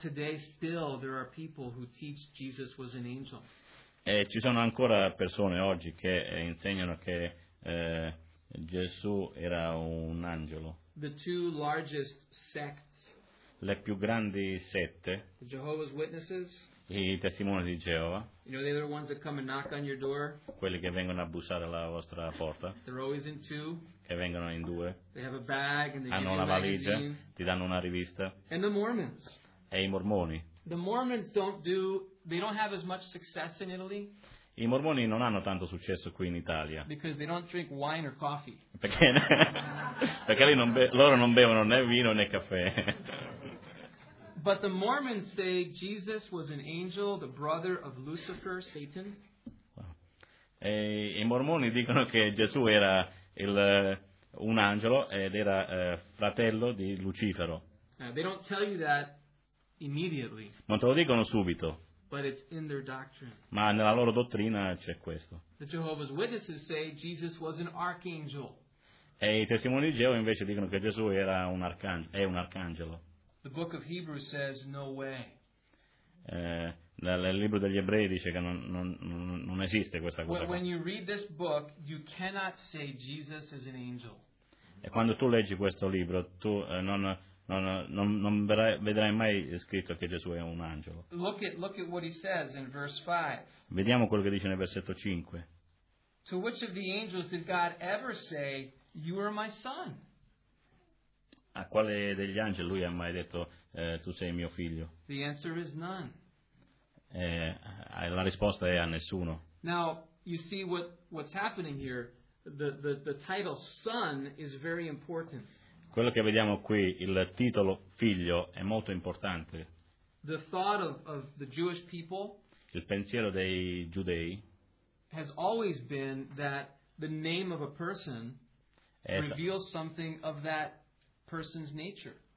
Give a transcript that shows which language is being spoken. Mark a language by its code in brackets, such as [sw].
[en] Today still there are people who teach Jesus was an angel. [it] Ci sono ancora persone oggi che insegnano che Gesù era un angelo. [en] The two largest sects, [it] le più grandi sette, [en] the Jehovah's Witnesses, [it] i testimoni di Geova, [en] you know, they're the ones that come and knock on your door, [it] quelli che vengono a bussare alla vostra porta, [en] they're always in two, [it] che vengono in due, [en] they have a bag and they [it] hanno [en] give a [it] valigia, [en] magazine, [it] ti danno una rivista, [en] and the Mormons. [it] E i mormoni. [en] The Mormons don't do, they don't have as much success in Italy. [it] I mormoni non hanno tanto successo qui in Italia. [en] Because they don't drink wine or coffee. [it] Perché, perché lì non loro non bevono né vino né caffè. [en] But the Mormons say Jesus was an angel, the brother of Lucifer, Satan. [it] E i mormoni dicono che Gesù era un angelo ed era fratello di Lucifero. [en] They don't tell you that immediately. [it] Non te lo dicono subito. [en] But it's in their doctrine. [it] Ma nella loro dottrina c'è questo. [en] The Jehovah's Witnesses say Jesus was an archangel. [it] E i testimoni di Geova invece dicono che Gesù era un è un arcangelo. [en] The book of Hebrews says no way. [it] Il libro degli Ebrei dice che non esiste questa cosa. [en] When you read this book, you cannot say Jesus is an angel. [it] E quando tu leggi questo libro, tu non vedrai mai scritto che Gesù è un angelo. [en] Look at what he says in verse 5. [it] Vediamo quello che dice nel versetto 5. [en] To which of the angels did God ever say, "You are my son"? [it] A quale degli angeli lui ha mai detto, tu sei mio figlio? [en] The answer is none. [it] La risposta è a nessuno. [en] Now you see what's happening here. The title son is very important. [it] Quello che vediamo qui, il titolo figlio, è molto importante. [en] The thought of the Jewish people, [it] il pensiero dei giudei, [en] has always been that the name of a person reveals something of that person's nature.